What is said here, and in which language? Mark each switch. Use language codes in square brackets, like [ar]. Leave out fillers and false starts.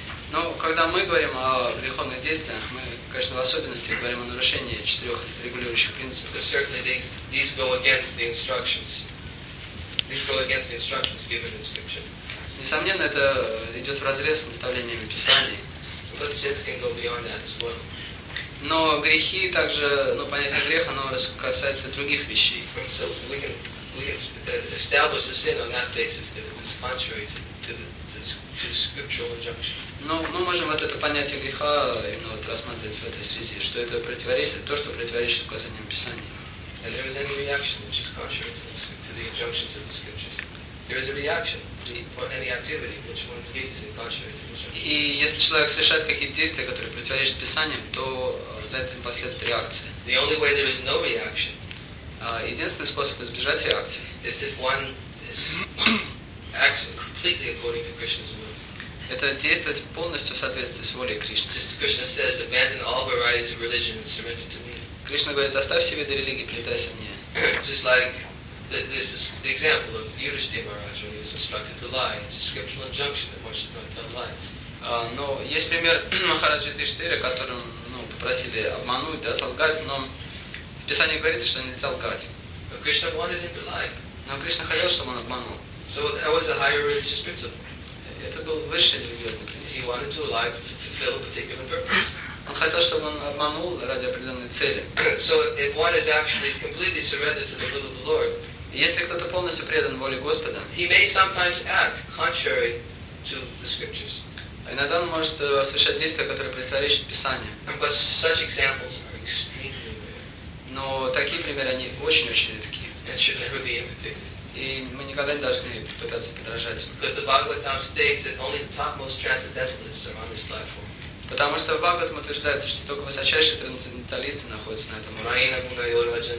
[ru] Но когда мы говорим о греховных действиях, мы, конечно, в особенности говорим о нарушении четырех регулирующих принципов. [en] But certainly these go against the instructions. These go against the instructions given in Scripture. [ru] Несомненно, это идет вразрез с наставлениями Писания. [en] But sins can go beyond that as well. [ru] Но грехи также, ну, понятие греха, оно касается других вещей. [en] So we can establish a sin on that basis that it is contrary to scriptural injunctions. [ru] Но мы можем вот это понятие греха именно вот рассматривать в этой связи, что это противоречит, то, что противоречит указаниям Писания. [en] And there is any reaction which is contrary to the injunctions of the scriptures. There is a reaction for any activity which one engages in contrary to the [ru] injunctions. И если человек совершает какие-то действия, которые противоречат Писаниям, то за этим последует реакция. [en] The only way there is no reaction. [ru] Единственный способ избежать реакции. [en] Is if one is acts completely according to Krishna's will. [ru] Это действовать полностью в соответствии с волей Кришны. [en] Krishna says, abandon all varieties of religion and surrender to me. [ru] Кришна говорит, оставь себе виды религии, предайся мне. [en] Just like this is the example of Yudhishthira Maharaj when he was instructed to lie. It's a scriptural injunction that one should not tell lies. [ru] Но есть пример Махараджи Тиштыря, которым, ну, попросили обмануть, да, солгать, но в Писании говорится, что нельзя лгать. [en] But Krishna wanted him to lie. [ru] Но Кришна хотел, чтобы он обманул. [en] So that was a higher religious principle. [ru] Это был высший религиозный принцип. [en] He wanted to lie to fulfill a particular purpose. [ru] Он хотел, чтобы он обманул ради определенной цели. [en] So if one is actually completely surrendered to the will of the Lord, [ru] если кто-то полностью предан воле Господа, [en] he may sometimes act contrary to the scriptures. [ru] Иногда он может совершать действия, которые противоречат Писанию. [en] But such examples are extremely rare. [ru] Но такие примеры, они очень-очень редки. [en] And should never be imitated. [ru] И мы никогда не должны пытаться подражать. [en] Because the Bhagavatam states that only the topmost transcendentalists are on this platform. [ru] Потому что в Бхагаватам утверждается, что только высочайшие трансценденталисты находятся на этом